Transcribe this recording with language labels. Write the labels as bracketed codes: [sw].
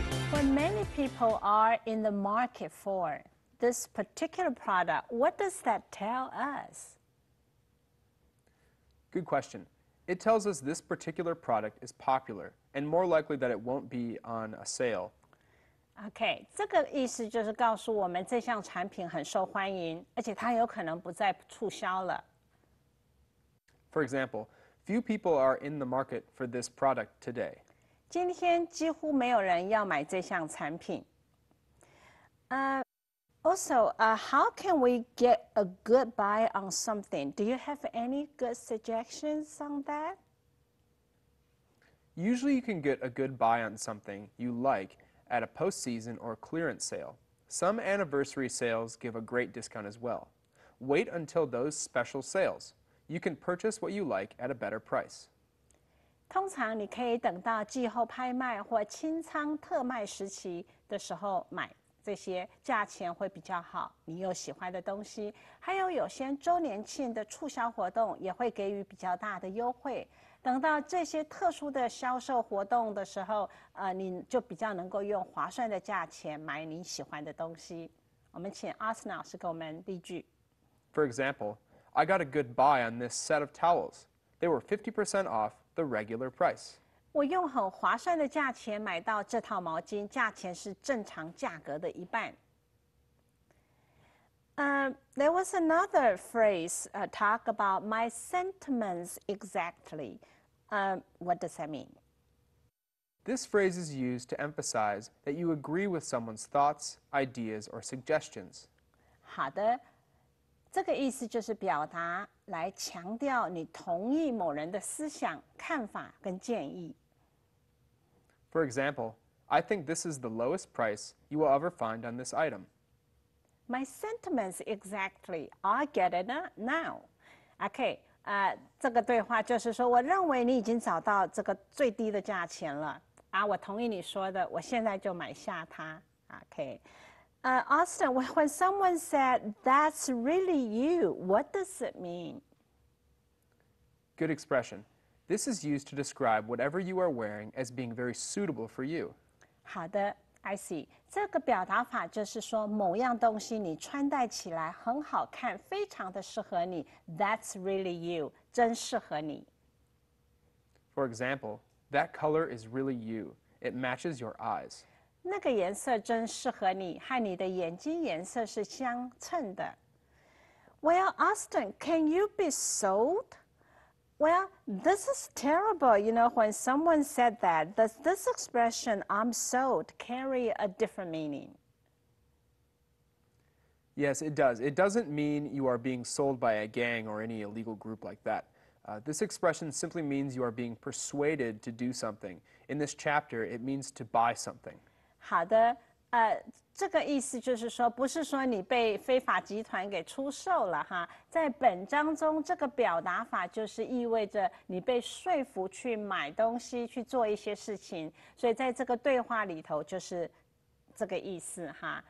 [en] When many people are in the market for this particular product, what does that tell us? Good question. It tells us this particular product is popular and more likely that it won't be on a sale. [zh] OK, 这个意思就是告诉我们这项产品很受欢迎，而且它有可能不再促销了。 [en] For example, few people are in the market for this product today. [zh] 今天几乎没有人要买这项产品。 [en] How can we get a good buy on something? Do you have any good suggestions on that? Usually you can get a good buy on something you like at a post-season or clearance sale. Some anniversary sales give a great discount as well. Wait until those special sales. You can purchase what you like at a better price. [zh] 通常你可以等到季后拍卖或清仓特卖时期的时候买这些价钱会比较好，你又喜欢的东西，还有有些周年庆的促销活动也会给予比较大的优惠。等到这些特殊的销售活动的时候，你就比较能够用划算的价钱买你喜欢的东西。我们请 Austin 老师给我们例句。 [en] For example, I got a good buy on this set of towels. They were 50% off the regular price. [zh] 我用很划算的价钱买到这套毛巾，价钱是正常价格的一半。 [en] There was another phrase talk about my sentiments exactly. What does that mean? This phrase is used to emphasize that you agree with someone's thoughts, ideas, or suggestions. [zh] 好的，这个意思就是表达来强调你同意某人的思想、看法跟建议。 [en] For example, I think this is the lowest price you will ever find on this item. My sentiments exactly. I get it now. [zh] Okay, 这个对话就是说，我认为你已经找到这个最低的价钱了。我同意你说的，我现在就买下它。 [en] Okay. Austin, when someone said, that's really you, what does it mean? Good expression. This is used to describe whatever you are wearing as being very suitable for you. [zh] 好的 [en] I see. [zh] 这个表达法就是说某样东西你穿戴起来很好看非常的适合你 [en] That's really you, [zh] 真适合你 [en] For example, that color is really you. It matches your eyes. [zh] 那个颜色真适合你，和你的眼睛颜色是相称的。 [en] Well, Austin, can you be sold? Well, this is terrible, you know, when someone said that. Does this expression, I'm sold, carry a different meaning? Yes, it does. It doesn't mean you are being sold by a gang or any illegal group like that. This expression simply means you are being persuaded to do something. In this chapter, it means to buy something. [zh] 好的，这个意思就是说，不是说你被非法集团给出售了哈。在本章中，这个表达法就是意味着你被说服去买东西，去做一些事情。所以在这个对话里头，就是这个意思哈。